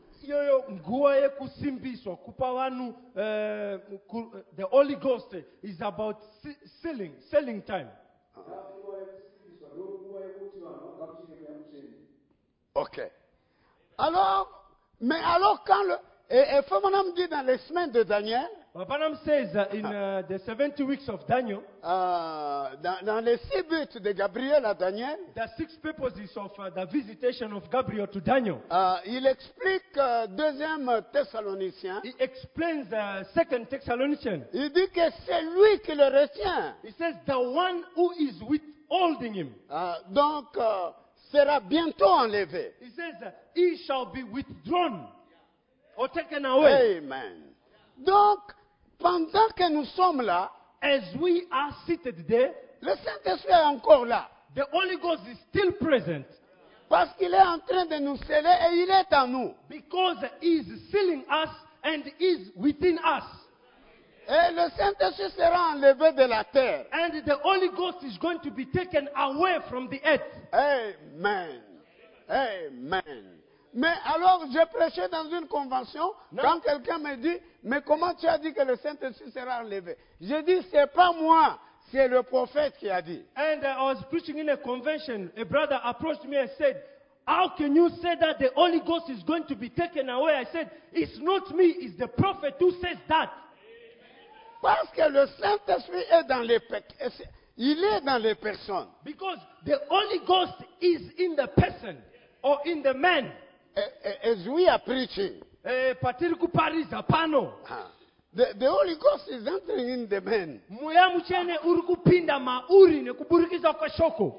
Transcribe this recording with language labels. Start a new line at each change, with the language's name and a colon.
Shona: Yo nguaye kusimbiswa kupa vanhu
English: the Holy Ghost is about selling time. Ok.
French: Alors quand le et Frère Branham dit dans les semaines de Daniel.
English: Frère Branham says in the 70 weeks of Daniel.
French: Dans les 6 buts de Gabriel à Daniel.
English: The 6 purposes of the visitation of Gabriel to Daniel.
French: Il explique deuxième Thessalonicien.
English: He explains the second Thessalonician.
French: Il dit que c'est lui qui le retient.
English: He says the one who is withholding him.
French: Donc sera bientôt enlevé.
English: He says he shall be withdrawn or taken away.
French: Amen. Donc, pendant que nous sommes là,
English: as we are seated there,
French: le Saint-Esprit est encore là.
English: The Holy Ghost is still present.
French: Parce qu'il est en train de nous sceller et il est en nous.
English: Because he is sealing us and is within us.
French: Et le Saint-Esprit sera enlevé de la terre.
English: And the Holy Ghost is going to be taken away from the earth. Amen. Amen.
French: Mais alors, j'ai prêché dans une convention, non. Quand quelqu'un me dit, mais comment tu as dit que le Saint-Esprit sera enlevé? Je dis, c'est pas moi, c'est le prophète qui a dit.
English: And I was preaching in a convention. A brother approached me and said, how can you say that the Holy Ghost is going to be taken away? I said, it's not me, it's the prophet who says that.
French: Parce que le Saint-Esprit est dans les personnes. Il est dans les personnes.
English: Because the Holy Ghost is in the person or in the man. As we are preaching.
Shona: Patir ku Paris apano.
English: The Holy Ghost is entering in the man.
Shona: Mwaya mchene urukupinda mauri ne kuburikiza kwa shoko.